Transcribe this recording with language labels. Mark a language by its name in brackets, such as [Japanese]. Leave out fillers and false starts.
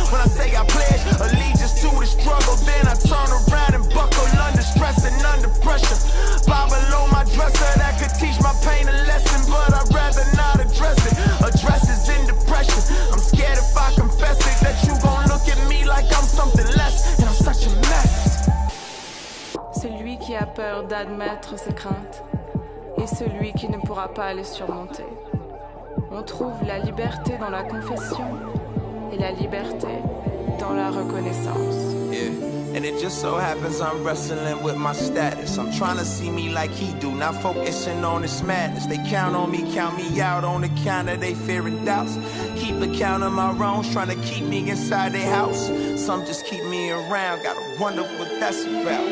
[English] When I say I pledge allegiance to the struggle, then I turn around and buckle under stress and under pressure. Bible on my dresser, that could teach my pain a lesson, but I'd rather not address it. Address is in depression. I'm scared if I confess it, that you gon' look at me like I'm something less, and I'm such a mess. [French] Celui qui a peur d'admettre ses craintes et celui qui ne pourra pas les surmonter. On trouve la liberté dans la confession et la liberté dans la reconnaissance. Yeah. [English] And it just so happens I'm wrestling with my status. I'm trying to see me like he do, not focusing on his madness. They count on me, count me out on the count of they fear and doubts. Keep a count of my wrongs, trying to keep me inside their house. Some just keep me around, gotta wonder what that's about.